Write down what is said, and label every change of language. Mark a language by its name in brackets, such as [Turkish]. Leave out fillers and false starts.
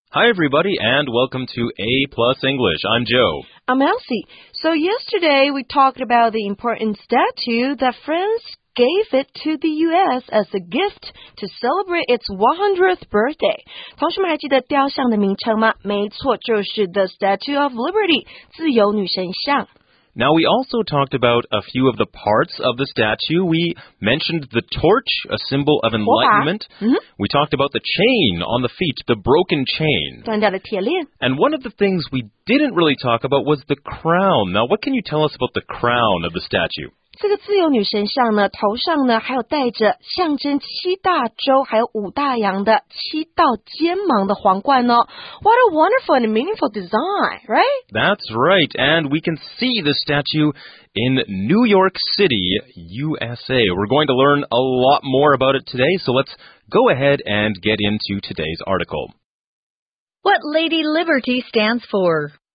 [English] Hi, everybody, and welcome to A Plus English. I'm Joe. I'm Elsie. So yesterday we talked about the important statue that France gave it to the U.S. as a gift to celebrate its 100th birthday. [Chinese] 同学们还记得雕像的名称吗？没错，就是 The Statue of Liberty, 自由女神像。 [English] Now, we also talked about a few of the parts of the statue. We mentioned the torch, a symbol of enlightenment. We talked about the chain on the feet, the broken chain. [Chinese] 断掉了铁链。 [English] And one of the things we didn't really talk about was the crown. Now, what can you tell us about the crown of the statue? [Chinese] 这个自由女神像呢，头上呢还有戴着象征七大洲还有五大洋的七道尖芒的皇冠哦。 [English] What a wonderful and meaningful design, right? That's right, and we can see the statue in New York City, USA. We're going to learn a lot more about it today, so let's go ahead and get into today's article. What Lady Liberty stands for?